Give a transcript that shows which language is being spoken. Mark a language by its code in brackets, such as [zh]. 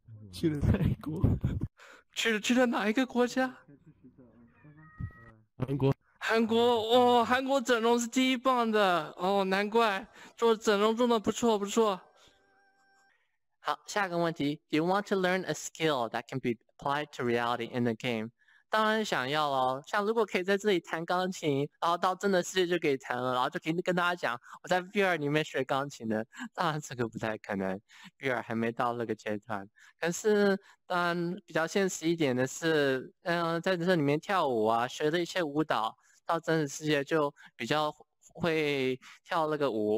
[zh] 去了泰国。去了哪一个国家？韩国。韩国哦，韩国整容是第一棒的哦，难怪做整容做的不错。好，下个问题 [en] ，Do you want to learn a skill that can be applied to reality in the game？ [zh] 当然想要了，像如果可以在这里弹钢琴，然后到真的世界就可以弹了，然后就可以跟大家讲我在 VR 里面学钢琴的。当然这个不太可能 ，VR 还没到那个阶段。可是，当然比较现实一点的是，在这里面跳舞啊，学的一些舞蹈，到真实世界就比较会跳那个舞。